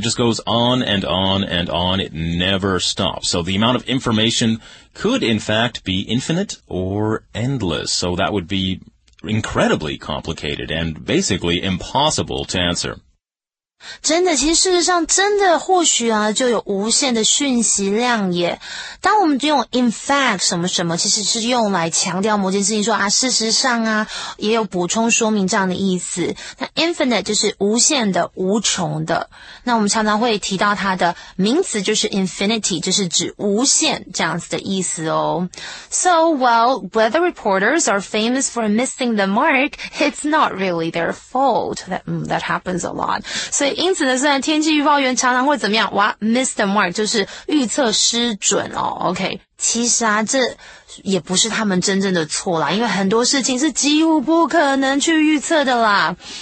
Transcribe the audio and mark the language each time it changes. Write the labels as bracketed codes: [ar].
[en] It just goes on and on and on. It never stops. So the amount of information could, in fact, be infinite or endless. So that would be incredibly complicated and basically impossible to answer. [zh] 真的，其实事实上真的或许啊，就有无限的讯息量也。当我们用 in fact 什么什么，其实是用来强调某件事情，说啊，事实上啊，也有补充说明这样的意思。那 infinite 就是无限的、无穷的。那我们常常会提到它的名词就是 infinity， 就是指无限这样子的意思哦。 [en] So, well, weather reporters are famous for missing the mark. It's not really their fault. That happens a lot. [zh] So,因此呢，虽然天气预报员常常会怎么样？哇 ， [en] miss the mark [zh] 就是预测失准哦。 OK， 其实啊，这也不是他们真正的错啦，因为很多事情是几乎不可能去预测的啦。